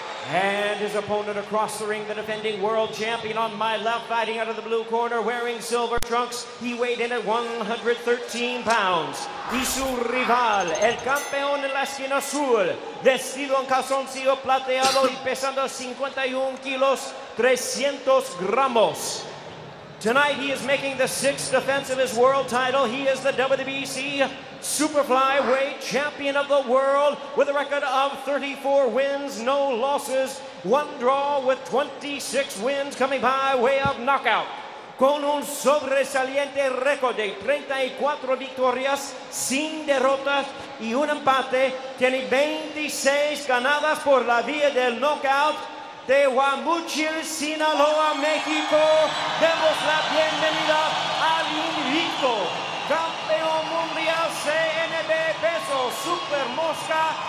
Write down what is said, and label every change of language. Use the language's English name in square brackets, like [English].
[English] And his opponent across the ring, the defending world champion on my left, fighting out of the blue corner, wearing silver trunks. He weighed in at 113 pounds. [Spanish] Y su rival, el campeón en la esquina azul, vestido en calzoncillo plateado y pesando 51 kilos, 300 gramos. [English] Tonight he is making the sixth defense of his world title. He is the WBC Super Flyweight Champion of the World with a record of 34 wins, no losses, one draw with 26 wins coming by way of knockout. [Spanish] Con un sobresaliente récord de 34 victorias sin derrotas y un empate, tiene 26 ganadas por la vía del knockout. De Guamuchil, Sinaloa, México, demos la bienvenida al invicto campeón mundial CNB peso super mosca.